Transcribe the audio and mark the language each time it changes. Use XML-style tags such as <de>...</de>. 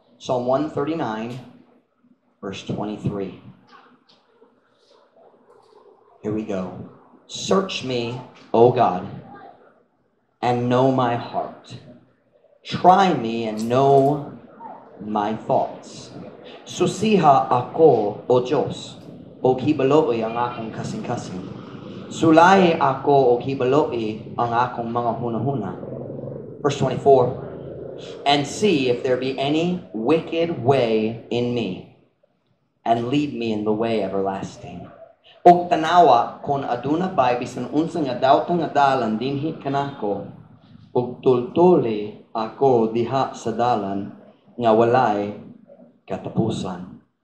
<en>Psalm 139, verse 23. Here we go. Search me, O God, and know my heart. Try me and know my thoughts.</en> <ceb>Susiha ako, O Diyos. O kibaloi ang akong kasing-kasing. Sulay ako o kibaloi ang akong mga hunahuna.</ceb> <en>Verse 24. And see if there be any wicked way in me, and lead me in the way everlasting.</en> <ceb>O tanawa kon aduna bay bisan unsang adawtong adalan dinhi kanako. O tultuli ako diha sa dalan nga walay katapusan.</ceb>